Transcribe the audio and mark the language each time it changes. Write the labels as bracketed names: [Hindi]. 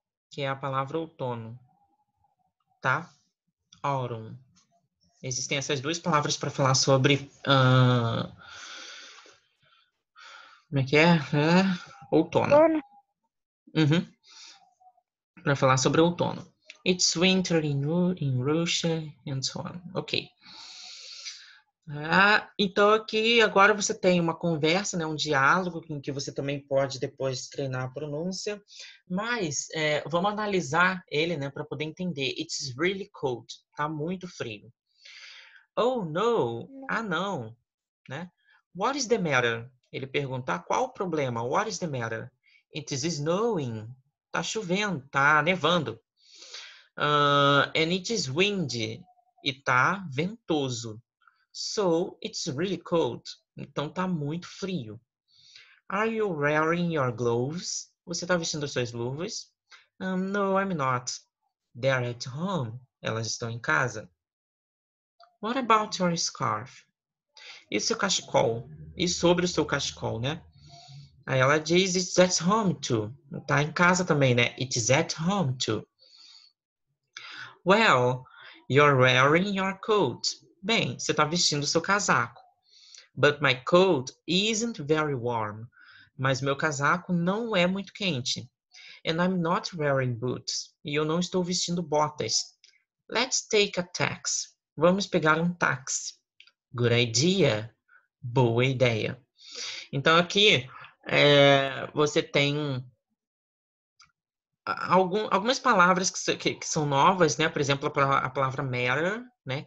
[Portuguese] Que é a palavra outono. Tá? Autumn. Existem essas duas palavras para falar sobre. Como é que é? Outono. Para falar sobre outono. [English] It's winter in Russia, and so on. Ok. [Portuguese] Ah, então aqui agora você tem uma conversa, né, um diálogo em que você também pode depois treinar a pronúncia, mas vamos analisar ele, né, para poder entender. [English] It's really cold. [Portuguese] Tá muito frio. [English] Oh no. [Portuguese] Ah não. Né? [English] What is the matter? [Portuguese] Ele perguntar qual o problema. [English] What is the matter? It is snowing. [Portuguese] Tá chovendo. Tá nevando. [English] And it is windy. [Portuguese] E tá ventoso. [English] So it's really cold. [Portuguese] Então tá muito frio. [English] Are you wearing your gloves? [Portuguese] Você tá vestindo suas luvas? [English] No, I'm not. They're at home. [Portuguese] Elas estão em casa. [English] What about your scarf? [Portuguese] E seu cachecol? E sobre o seu cachecol, né? Aí ela diz, [English] it's at home too. [Portuguese] Tá em casa também, né? [English] It is at home too. Well, you're wearing your coat. [Portuguese] Bem, você está vestindo seu casaco. [English] But my coat isn't very warm. [Portuguese] Mas meu casaco não é muito quente. [English] And I'm not wearing boots. [Portuguese] E eu não estou vestindo botas. [English] Let's take a taxi. [Portuguese] Vamos pegar um táxi. [English] Good idea. [Portuguese] Boa ideia. Então aqui você tem algumas palavras que são novas, né? Por exemplo, a palavra matter, né?